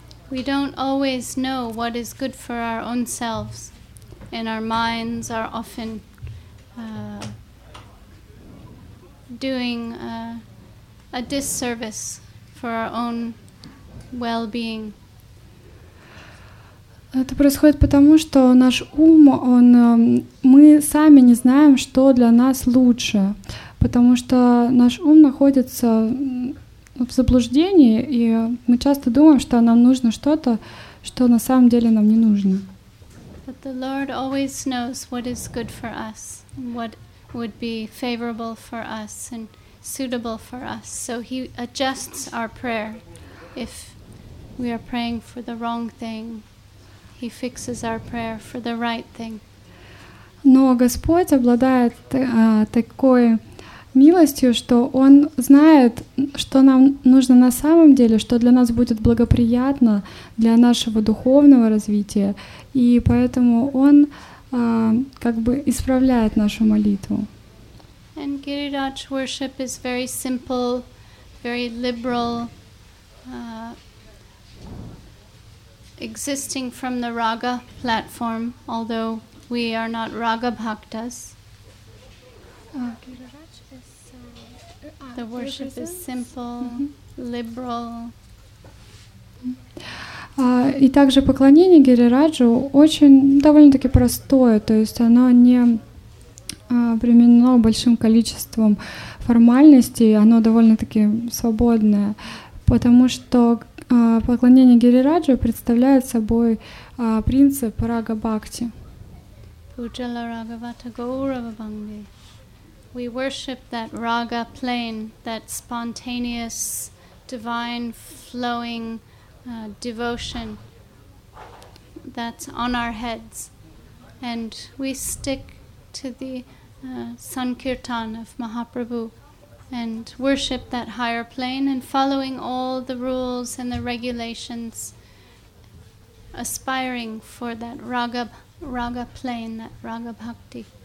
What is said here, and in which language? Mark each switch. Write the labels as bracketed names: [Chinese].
[English] We don't always know what is good for our own selves, and our minds are often doing a disservice for our own well-being. [Russian] Это происходит потому, что наш ум, мы сами не знаем, что для нас лучше. потому что наш ум находится в заблуждении, и мы часто думаем, что нам нужно что-то, что на самом деле нам не нужно. [English] But the Lord always knows what is good for us, what would be favorable for us and suitable for us. So He adjusts our prayer. If we are praying for the wrong thing, He fixes our prayer for the right thing. [Russian] Но Господь обладает такой милостью, что Он знает, что нам нужно на самом деле, что для нас будет благоприятно для нашего духовного развития, и поэтому Он как бы исправляет нашу молитву. [English] And Giriraj worship is very simple, very liberal, existing from the raga platform, although we are not raga bhaktas. The worship is simple, liberal. [Russian] И также поклонение Гирираджу очень довольно-таки простое, то есть оно не обременено большим количеством формальностей, оно довольно-таки свободное, потому что поклонение Гирираджу представляет собой принцип Рага Бхакти. [Sanskrit] Пуджала Рагавата Гаурава Банги. [English] We worship that raga plane, that spontaneous, divine, flowing devotion that's on our heads. And we stick to the sankirtan of Mahaprabhu and worship that higher plane and following all the rules and the regulations, aspiring for that raga plane, that raga bhakti.